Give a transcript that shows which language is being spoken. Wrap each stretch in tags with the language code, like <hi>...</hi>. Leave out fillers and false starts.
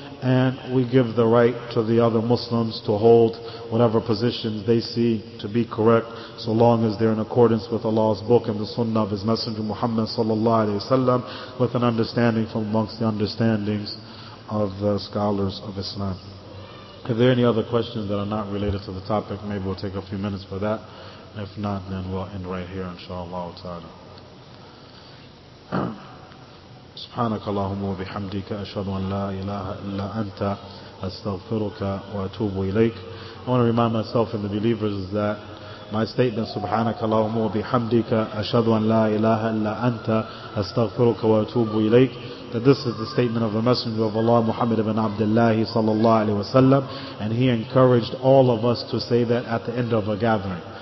<en>And we give the right to the other Muslims to hold whatever positions they see to be correct, so long as they're in accordance with Allah's book and the sunnah of His Messenger Muhammad sallallahu alayhi wa sallam, with an understanding from amongst the understandings of the scholars of Islam. If there are any other questions that are not related to the topic, maybe we'll take a few minutes for that. If not, then we'll end right here, inshallah ta'ala.</en> <ar>سبحانك اللهم وبحمدك أشهد أن لا إله إلا أنت أستغفرك وأتوب إليك.</ar> <en>I want to remind myself and the believers that my statement</en> <ar>سبحانك اللهم وبحمدك أشهد أن لا إله إلا أنت أستغفرك وأتوب إليك,</ar> <en>that this is the statement of the Messenger of Allah Muhammad ibn Abdullah sallallahu alayhi wasallam, and he encouraged all of us to say that at the end of a gathering.</en>